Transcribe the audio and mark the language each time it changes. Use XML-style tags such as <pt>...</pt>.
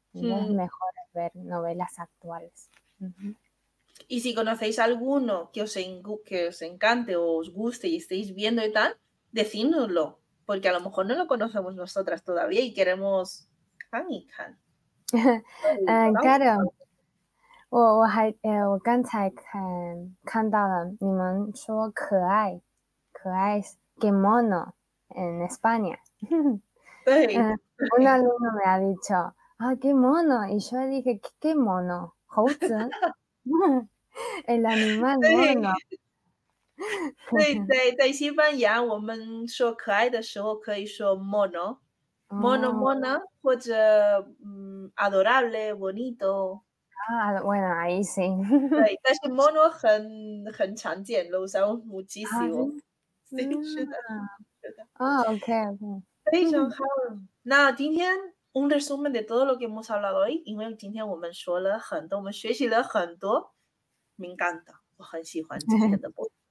<es>Entonces es mejor ver novelas actuales. Y si conocéis alguno que os encante o os guste y estéis viendo y tal, decídnoslo, porque a lo mejor no lo conocemos nosotras todavía y queremos can y can.</es> <zh>Claro,我刚才看到了你们说可爱是</zh> <es>qué mono en España. Sí. Un alumno me ha dicho, ah, qué mono, y yo dije, qué mono, Houzen, el animal mono. Sí, en sí, español, sí, cuando decimos cariño, podemos decir mono, mono, mona, o adorable, bonito. Ah, bueno, ahí sí. Sí, pero mono es muy común, lo usamos muchísimo. Sí, es verdad. Okay.</es> <zh>那今天</zh> <es>un resumen de todo lo que hemos hablado hoy,</es> <zh>因为今天我们说了很多，我们学习了很多。</zh> <es>Me encanta，</es> <zh>我很喜欢今天的播。</zh>